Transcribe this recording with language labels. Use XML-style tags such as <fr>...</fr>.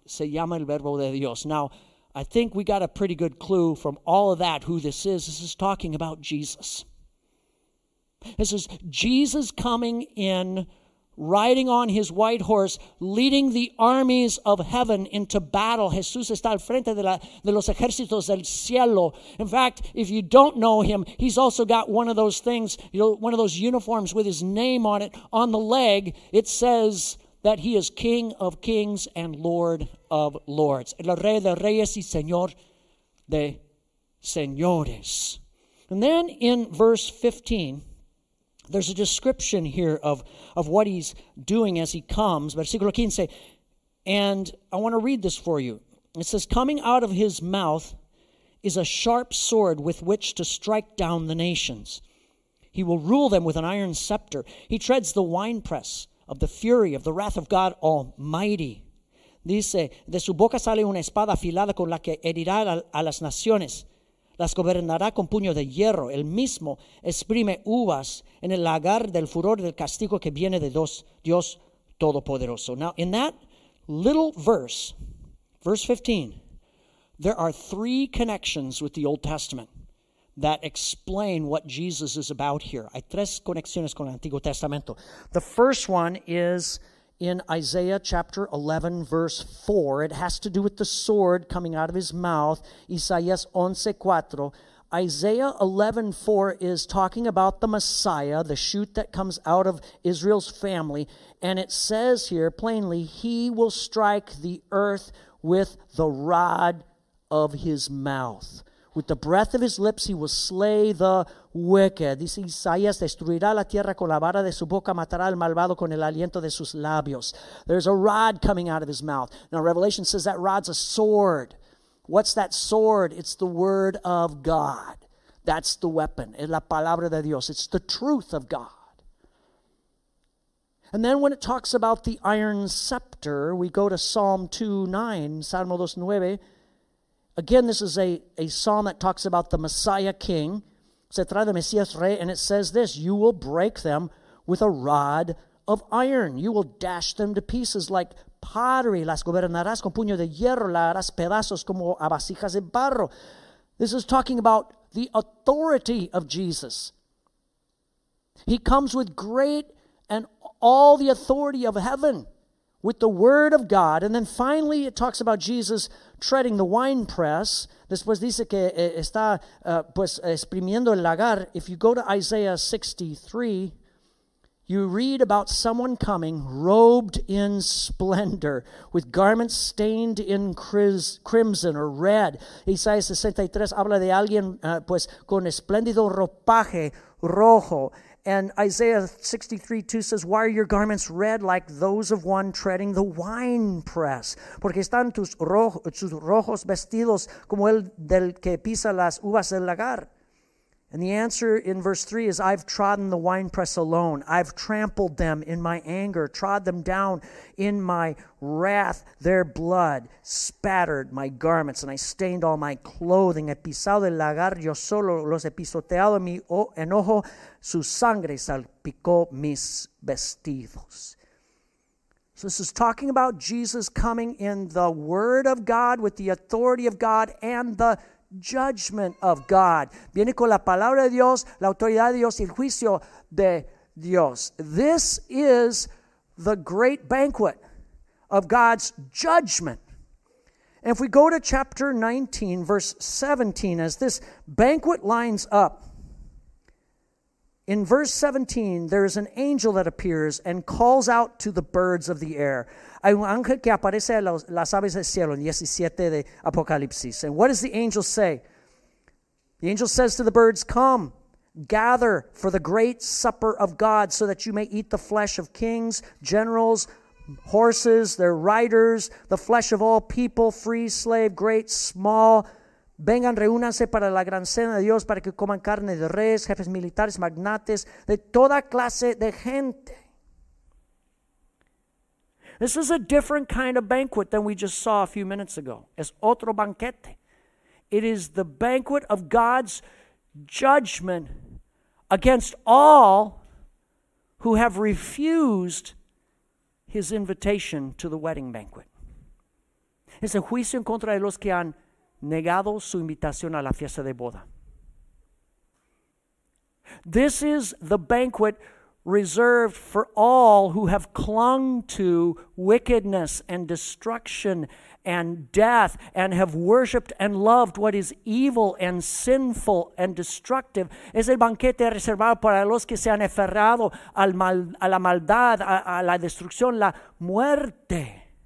<es>Se llama el Verbo de Dios.</es> <en>Now, I think we got a pretty good clue from all of that who this is. This is talking about Jesus. This is Jesus coming in, riding on his white horse, leading the armies of heaven into battle.</en> <es>Jesús está al frente de los ejércitos del cielo.</es> <en>In fact, if you don't know him, he's also got one of those things, you know, one of those uniforms with his name on it. On the leg, it says that he is King of Kings and Lord of Lords.</en> <es>El Rey de Reyes y Señor de Señores.</es> <en>And then in verse 15, there's a description here of what he's doing as he comes. Versículo 15, and I want to read this for you. It says, coming out of his mouth is a sharp sword with which to strike down the nations. He will rule them with an iron scepter. He treads the winepress of the fury of the wrath of God Almighty.</en> <es>Dice, de su boca sale una espada afilada con la que herirá a las naciones. Las gobernará con puño de hierro. El mismo exprime uvas en el lagar del furor del castigo que viene de Dios Todopoderoso.</es> <en>Now, in that little verse, verse 15, there are three connections with the Old Testament that explain what Jesus is about here.</en> <es>Hay tres conexiones con el Antiguo Testamento.</es> <en>The first one is in Isaiah chapter 11, verse 4. It has to do with the sword coming out of his mouth. Isaías 11:4. Isaiah 11:4 is talking about the Messiah, the shoot that comes out of Israel's family. And it says here plainly, he will strike the earth with the rod of his mouth. With the breath of his lips, he will slay the wicked.</en> <es>Dice Isaías, destruirá la tierra con la vara de su boca, matará al malvado con el aliento de sus labios.</es> <en>There's a rod coming out of his mouth. Now, Revelation says that rod's a sword. What's that sword? It's the Word of God. That's the weapon.</en> <es>Es la palabra de Dios.</es> <en>It's the truth of God. And then when it talks about the iron scepter, we go to Psalm 2:9. Again, this is a psalm that talks about the Messiah King.</en> <es>Se trata de Mesías Rey,</es> <en>and it says this, you will break them with a rod of iron. You will dash them to pieces like pottery.</en> <es>Las gobernarás con puño de hierro. Las harás pedazos como a vasijas de barro.</es> <en>This is talking about the authority of Jesus. He comes with great and all the authority of heaven, with the Word of God. And then finally it talks about Jesus treading the winepress.</en> <es>Después dice que está pues exprimiendo el lagar.</es> <en>If you go to Isaiah 63, you read about someone coming robed in splendor with garments stained in crimson or red.</en> <es>Isaías 63 habla de alguien pues con espléndido ropaje rojo.</es> <en>And Isaiah 63:2 says, "Why are your garments red like those of one treading the winepress?</en> <es>Porque están tus rojos vestidos como el del que pisa las uvas del lagar."</es> <en>And the answer in verse 3 is, "I've trodden the winepress alone. I've trampled them in my anger, trod them down in my wrath. Their blood spattered my garments, and I stained all my clothing.</en> <es>He pisado el lagar yo solo, los he pisoteado mi enojo, su sangre salpicó mis vestidos."</es> <en>So this is talking about Jesus coming in the Word of God with the authority of God and the judgment of God.</en> <es>Viene con la palabra de Dios, la autoridad de Dios y el juicio de Dios.</es> <en>This is the great banquet of God's judgment. And if we go to chapter 19, verse 17, as this banquet lines up, in verse 17, there is an angel that appears and calls out to the birds of the air.</en> <es>Hay un ángel que aparece a las aves del cielo en 17 de Apocalipsis.</es> <en>And what does the angel say? The angel says to the birds, "Come, gather for the great supper of God so that you may eat the flesh of kings, generals, horses, their riders, the flesh of all people, free, slave, great, small.</en> <es>Vengan, reúnanse para la gran cena de Dios para que coman carne de res, jefes militares, magnates, de toda clase de gente."</es> <en>This is a different kind of banquet than we just saw a few minutes ago.</en> <es>Es otro banquete.</es> <en>It is the banquet of God's judgment against all who have refused his invitation to the wedding banquet.</en> <es>Es el juicio en contra de los que han negado su invitación a la fiesta de boda.</es> <en>This is the banquet reserved for all who have clung to wickedness and destruction and death and have worshipped and loved what is evil and sinful and destructive.</en> <es>Es el banquete reservado para los que se han aferrado al mal, a la maldad, a la destrucción, la muerte.</es>